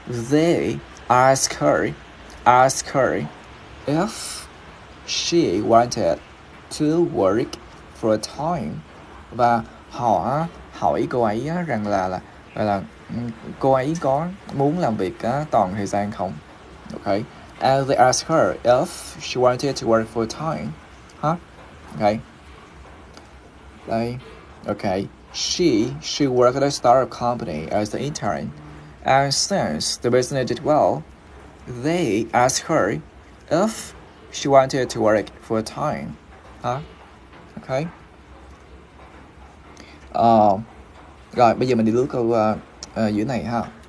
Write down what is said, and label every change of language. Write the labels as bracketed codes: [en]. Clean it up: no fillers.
[en] They ask her if she wanted to work for a time. [vi] Và họ hỏi cô ấy rằng là cô ấy có muốn làm việc toàn thời gian không? [en] Ok. And they ask her if she wanted to work full time. Huh? Okay. [vi] Đây. [en] Okay. She worked at a startup company as an intern, and since the business did well, they asked her if she wanted to work full time. Huh? Okay. [vi] Rồi bây giờ mình đi lướt câu dưới này ha.